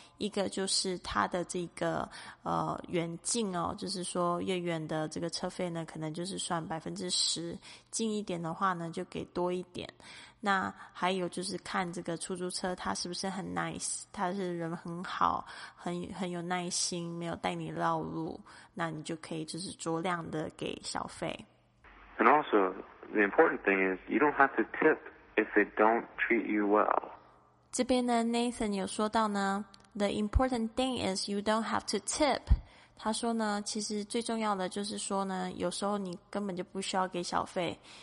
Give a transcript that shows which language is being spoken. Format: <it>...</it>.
<zh>一个就是他的这个远近哦，就是说越远的这个车费呢，可能就是算10%，近一点的话呢，就给多一点。那还有就是看这个出租车他是不是很 nice， 他是人很好，很有耐心，没有带你绕路，那你就可以就是酌量的给小费。</zh> <en>And also, the important thing is you don't have to tip if they don't treat you well.</en> <zh>这边呢 ,Nathan 有说到呢 ,</zh> <en>the important thing is you don't have to tip.</en> <zh>他说呢其实最重要的就是说呢有时候你根本就不需要给小费。</zh>